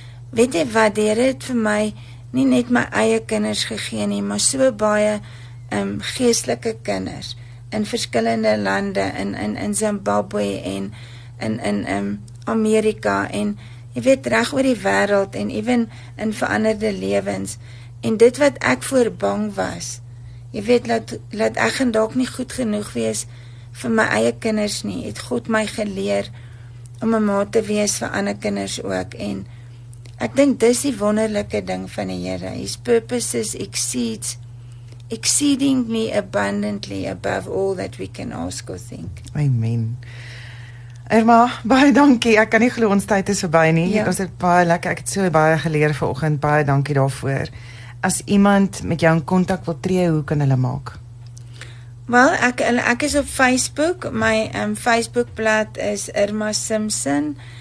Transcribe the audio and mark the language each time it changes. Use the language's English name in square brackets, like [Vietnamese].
[Afrikaans] Weet jy wat, die Here het vir my nie net my eie kinders gegee nie, maar so baie geestelike kinders in verskillende lande, in Zimbabwe en in Amerika en jy weet reg oor die wêreld en even in veranderde lewens. En dit wat ek voor bang was, jy weet, laat ek en dalk nie goed genoeg wees vir my eie kinders nie, het God my geleer om 'n ma te wees vir ander kinders ook. En ek dink dis die wonderlike ding van die Here. [English] His purposes exceedingly abundantly above all that we can ask or think. [Afrikaans] Amen. Irma, baie dankie. Ek kan nie glo ons tyd is verby nie. Ja. Ons het baie lekker, ek het so baie geleer vanoggend. Baie dankie daarvoor. as iemand met jou in contact wil tree, hoe kan hulle maak? Wel, ek is op Facebook. My Facebookblad is Irma Simpson.